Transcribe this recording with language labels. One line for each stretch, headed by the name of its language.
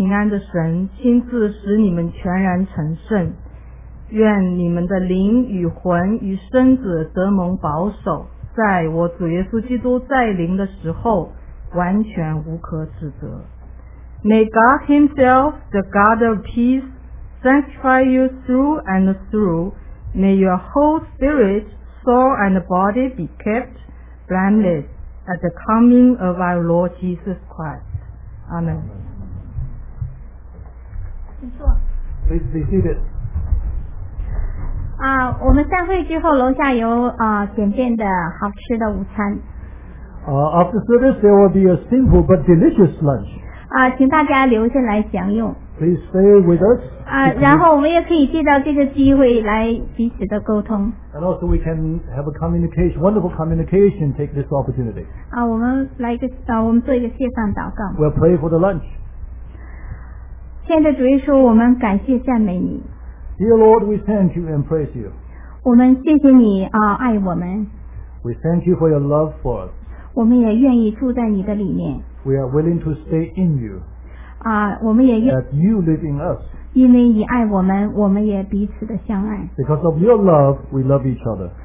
Chinese: 的神亲自使你们全然成圣，愿你们的灵与魂与身子得蒙保守，在我主耶稣基督再临的时候完全无可指责。
English: May God himself, the God of peace, sanctify you through and through. May your whole spirit, soul and body be kept blameless at the coming of our Lord Jesus Christ. Amen. Please be seated.
Chinese: 我们散会之后楼下有简便的好吃的午餐。
English: After service, there will be a simple but delicious lunch.
Chinese: 请大家留下来享用。
English: Please stay with us.
Chinese: 然后我们也可以借到这个机会来彼此的沟通。
English: And also we can have a communication, wonderful communication, take this opportunity.
Chinese: 我们来个我们做一个线上祷告。
English: We'll pray for the lunch.
Chinese: 天主主耶稣，我们感谢赞美你。
English: Dear Lord, we thank you and praise you.
Chinese: 我们谢谢你爱我们。
English: We thank you for your love for us.
Chinese: 我们也愿意住在你的里面。
English: We are willing to stay in you.
Chinese: 我们也愿。
English: That you live in us.
Chinese: 因为你爱我们，我们也彼此的相爱。
English: Because of your love, we love each other.